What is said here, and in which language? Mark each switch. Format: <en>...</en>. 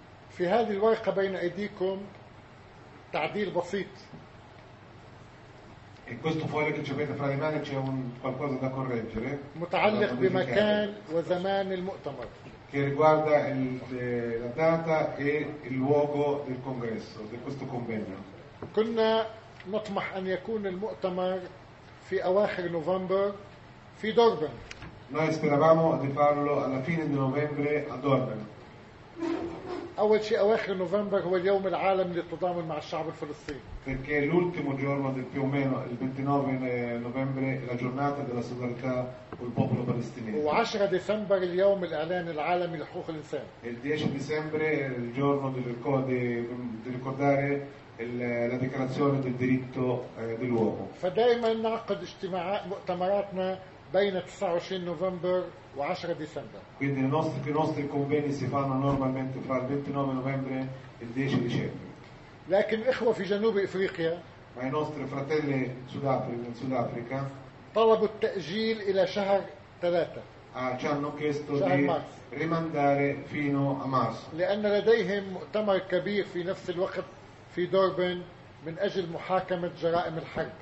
<ar>في هذه الورقة بين أيديكم تعديل بسيط.</ar> <it>E questo foglio che ci avete fra le mani c'è qualcosa da correggere.</it> <ar>متعلق بمكان وزمان المؤتمر.</ar> <it>Che riguarda la data e il luogo del congresso, di questo convegno.</it> <ar>كنا نطمح أن يكون المؤتمر في أواخر نوفمبر في دوربن.</ar> <it>Noi speravamo di farlo alla fine di novembre a Durban.</it> <ar>أول شيء أواخر نوفمبر هو اليوم العالمي للتضامن مع الشعب الفلسطيني.</ar> <it>Perché l'ultimo giorno del più o meno il 29 novembre la giornata della solidarietà col popolo palestinese.</it> <ar>وعشرة ديسمبر اليوم الإعلان العالمي لحقوق الإنسان.</ar> <it>Il 10 dicembre il giorno di ricordare la dichiarazione del diritto dell'uomo.</it> <ar>فدائما نعقد اجتماعات مؤتمراتنا بين 29 نوفمبر و10 ديسمبر.</ar> <it>Quindi i nostri convegni si fanno normalmente fra il 29 novembre e il 10 dicembre.</it> <ar>لكن الإخوة في جنوب إفريقيا.</ar> <it>Ma i nostri fratelli in Sudafrica.</it> <ar>طلبوا التأجيل إلى شهر 3.</ar> <it>Ci hanno chiesto di rimandare fino a marzo.</it> <ar>لأن لديهم مؤتمر كبير في نفس الوقت في دوربن من أجل محاكمة جرائم الحرب.</ar>